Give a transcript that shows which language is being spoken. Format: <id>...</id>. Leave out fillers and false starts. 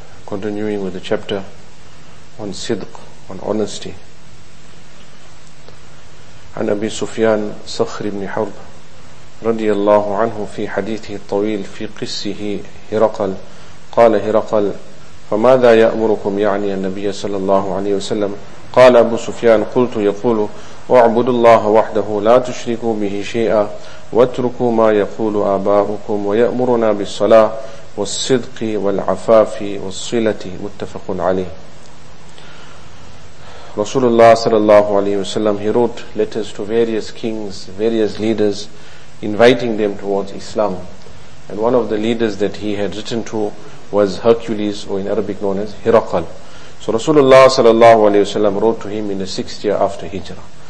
<en>Continuing with the chapter on Sidq, on honesty.</en> <ar>عن أبي سفيان صخر بن حرب رضي الله عنه في حديثه الطويل في قصه هرقل قال هرقل فماذا يأمركم يعني النبي صلى الله عليه وسلم قال أبو سفيان قلت يقول واعبدوا الله وحده لا تشركوا به شيئا واتركوا ما يقول آباؤكم ويأمرنا بالصلاة والصدق والعفاف والصلة متفق عليه.</ar> <en>Rasulullah sallallahu alayhi wa sallam, he wrote letters to various kings, various leaders, inviting them towards Islam. And one of the leaders that he had written to was Hercules, or in Arabic known as Hiraqal. So Rasulullah sallallahu alayhi wa sallam wrote to him in the 6th year after Hijrah.</en>